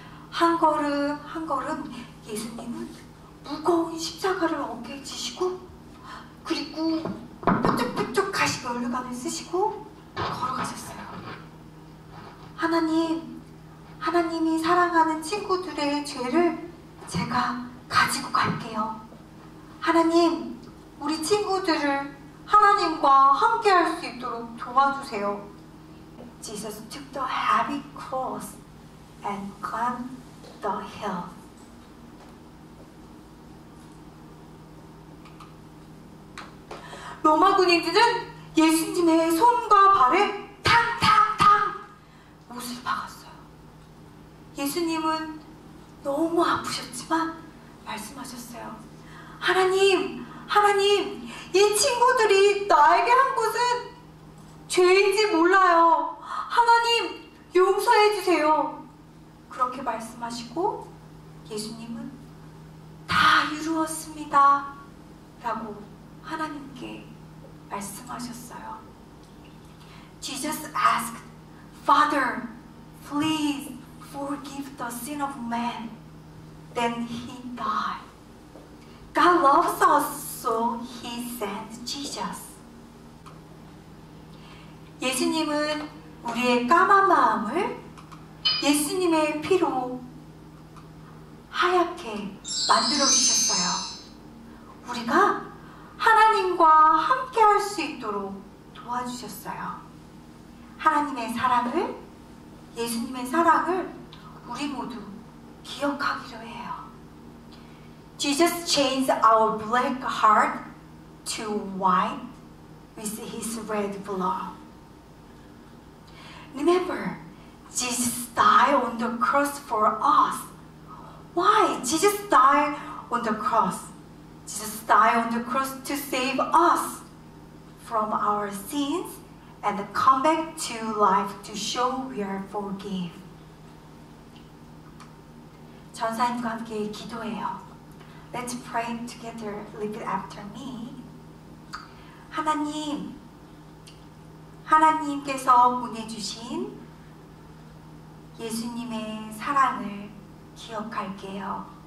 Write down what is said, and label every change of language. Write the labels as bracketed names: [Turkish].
[Korean] 한 걸음 한 걸음 예수님은 무거운 십자가를 어깨에 지시고 그리고 뾰족뾰족 가시가 올라가는 쓰시고 걸어가셨어요. 하나님, 하나님이 사랑하는 친구들의 죄를 제가 가지고 갈게요. 하나님, 우리 친구들을 하나님과 함께 할 수 있도록 도와주세요. [English] Jesus took the heavy cross and climbed the hill. [Korean] 로마 군인들은 예수님의 손과 발에 탕탕탕 못을 박았어요. 예수님은 너무 아프셨지만 말씀하셨어요. 하나님, 하나님, 이 친구들이 나에게 한 것은 죄인지 몰라요. 하나님, 용서해 주세요. 그렇게 말씀하시고 예수님은 다 이루었습니다 라고 하나님께 말씀하셨어요. [English] Jesus asked, Father, please forgive the sin of man. Then he died. God loves us, so he sent Jesus. [Korean] 예수님은 우리의 까만 마음을 예수님의 피로 하얗게 만들어 주셨어요. 우리가 하나님과 함께 할 수 있도록 도와주셨어요. 하나님의 사랑을, 예수님의 사랑을 우리 모두 기억하기로 해요. [English] Jesus changed our black heart to white with his red blood. Remember, Jesus died on the cross for us. Why? Jesus died on the cross. Jesus died on the cross to save us from our sins and come back to life to show we are forgiven. [Korean] 전사님과 함께 기도해요. [English] Let's pray together. Repeat after me. [Korean] 하나님, 하나님께서 보내주신 예수님의 사랑을 기억할게요.